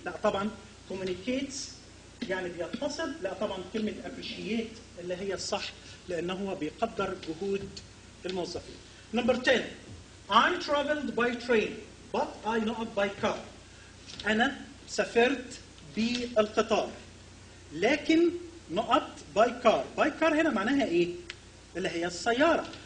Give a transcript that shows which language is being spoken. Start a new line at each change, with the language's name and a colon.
Arabic: لا طبعا communicates يعني بيتصل. لا طبعا كلمة appreciate اللي هي الصح لأنه هو بيقدر جهود الموظفين.
English: Number 10 I traveled by train but I not by car.
Arabic: أنا سافرت بالقطار لكن
English: not by car. By car
Arabic: هنا معناها إيه؟ اللي هي السيارة.